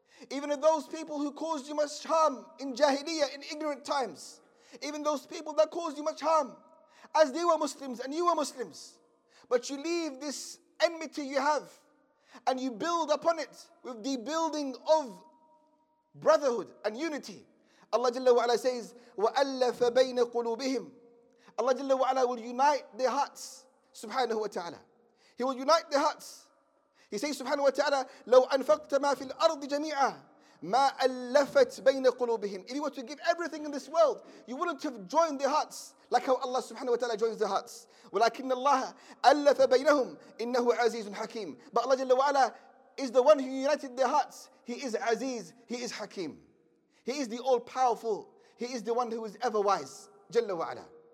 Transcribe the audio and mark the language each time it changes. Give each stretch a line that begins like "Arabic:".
English: Even those people who caused you much harm in jahiliyyah, in ignorant times, even those people that caused you much harm as they were Muslims and you were Muslims, but you leave this enmity you have and you build upon it with the building of brotherhood and unity. Allah Jalla wa Ala says,
Arabic: وَأَلَّفَ بَيْنَ قُلُوبِهِمْ.
English: Allah Jalla wa Ala will unite their hearts, subhanahu wa ta'ala. He will unite their hearts.
Arabic: He says, subhanahu wa ta'ala, لَوْ أَنْفَقْتَ مَا فِي الْأَرْضِ جَمِيعًا مَا أَلَّفَتْ بَيْنَ قُلُوبِهِمْ.
English: If you were to give everything in this world, you wouldn't have joined their hearts like how Allah subhanahu wa ta'ala joins their hearts.
Arabic: وَلَكِنَّ اللَّهَ أَلَّفَ بَيْنَهُمْ إِنَّهُ عَزِيزٌ حَكِيمٌ.
English: But Allah Jalla wa Ala is the one who united their hearts. He is Aziz, He is Hakim. He is the all-powerful. He is the one who is ever wise. Jalla wa ala.